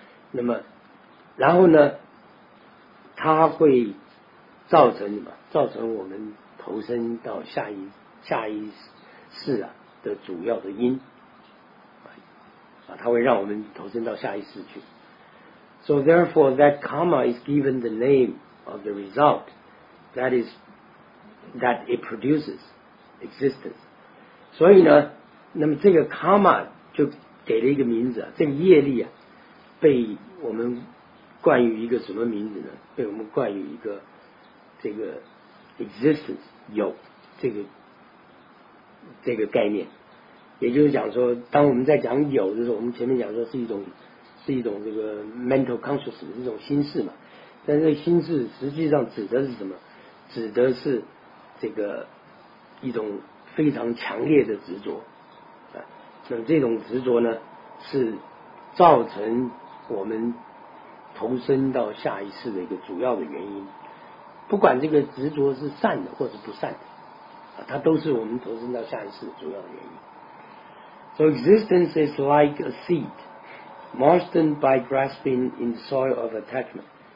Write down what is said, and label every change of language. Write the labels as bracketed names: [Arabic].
[Chinese] 那么，然后呢，它会造成什么？造成我们投身到下一世啊的主要的因啊，它会让我们投身到下一世去。 [English] So therefore, that karma is given the name of the result that it produces existence. [Chinese] 所以呢，那么这个 karma 就给了一个名字，这个业力啊，被我们冠于一个什么名字呢？被我们冠于一个这个 existence 有这个概念。也就是讲说，当我们在讲有的时候，我们前面讲说是一种这个 [English] mental consciousness， [Chinese] 一种心识嘛。但是心识实际上指的是什么？指的是这个一种非常强烈的执着啊。那么这种执着呢，是造成我们投身到下一世的一个主要的原因。不管这个执着是善的或者不善的啊，它都是我们投身到下一世的主要的原因。 [English] So existence is like a seed. Moistened by grasping in the soil of attachment.